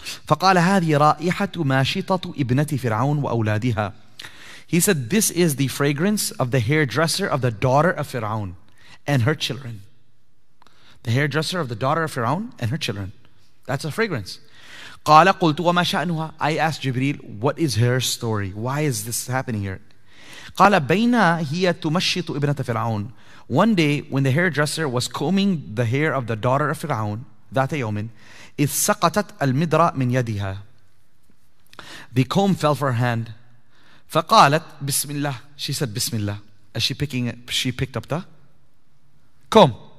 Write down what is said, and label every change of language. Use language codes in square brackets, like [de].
[ar] فقال هذه رائحة ماشطة ابنة فرعون وأولادها. [en] He said, this is the fragrance of the hairdresser of the daughter of Fir'aun and her children. The hairdresser of the daughter of Fir'aun and her children. That's a fragrance. [ar] قال قلت وما شأنها. [en] I asked Jibril, what is her story? Why is this happening here? [ar] قال بينا هي تمشط ابنة فرعون. [en] One day when the hairdresser was combing the hair of the daughter of Fir'aun, [ar] ذات يوم, إذ سقطت المدرة من يديها. [en] The comb fell from her hand. [ar] فقالت بسم الله. [en] She said [ar] بسم الله. [en] As she picked up the comb.